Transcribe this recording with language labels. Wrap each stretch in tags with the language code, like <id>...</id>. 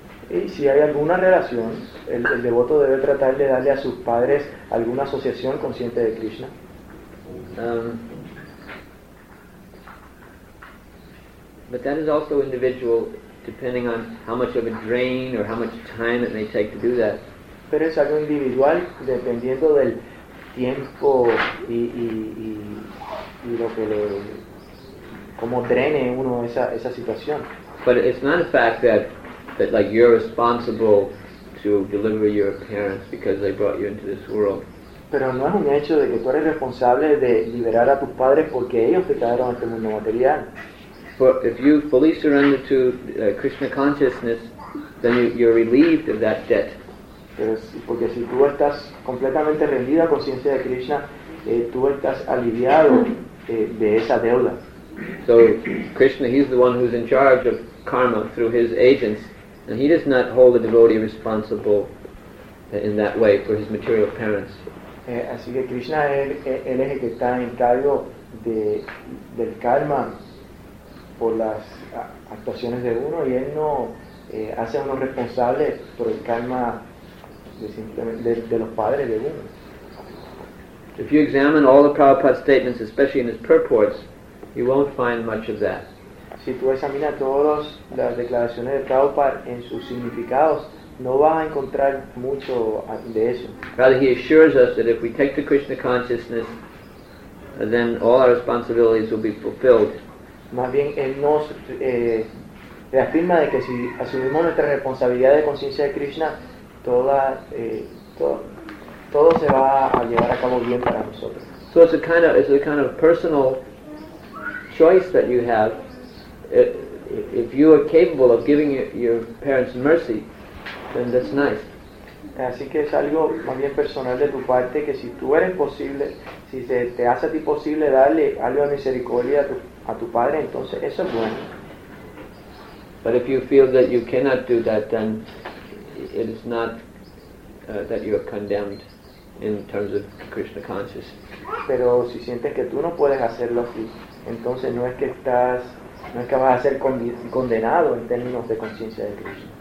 <es>Y si hay alguna relación, el devoto debe tratar de darle a sus padres alguna asociación consciente de Krishna.</es> <en>But that is also individual, depending on how much of a drain or how much time it may take to do that.</en> <es>Pero es algo individual, dependiendo del tiempo y lo que le, como drene uno esa situación.</es> <en>But it's not a fact that like you're responsible to deliver your parents because they brought you into this world.</en> <es>Pero no es un hecho de que tú eres responsable de liberar a tus padres porque ellos te trajeron a este mundo material.</es> <en>For if you fully surrender to Krishna consciousness, then you're relieved of that debt.</en> <es>Porque si tú estás completamente rendido a conciencia de Krishna, tú estás aliviado de esa deuda.</es> <en>So Krishna, he's the one who's in charge of karma through his agents, and he does not hold a devotee responsible in that way for his material parents.</en> <es>Así que Krishna él es el que está en cargo del karma por las actuaciones de uno, y él no hace a uno responsable por el karma de los padres de uno.</es> <en>If you examine all the Prabhupada statements, especially in his purports, you won't find much of that.</en> <es>Si tú examinas todas las declaraciones de Prabhupada en sus significados, no vas a encontrar mucho de eso.</es> <en>Rather, he assures us that if we take the Krishna consciousness, then all our responsibilities will be fulfilled.</en> <es>Más bien, él nos reafirma de que si asumimos nuestra responsabilidad de conciencia de Krishna, todo se va a llevar a cabo bien para nosotros.</es> <en>So it's a kind of personal choice that you have. If you are capable of giving your parents mercy, then that's nice.</en> <es>Así que es algo más bien personal de tu parte, que si tú eres posible, si se te hace a ti posible darle algo de misericordia a tu padre, entonces eso es bueno.</es> <en>But if you feel that you cannot do that, then it is not that you are condemned in terms of Krishna consciousness.</en> <es>Pero si sientes que tú no puedes hacerlo así, entonces no es que vas a ser condenado en términos de conciencia de Krishna.</es>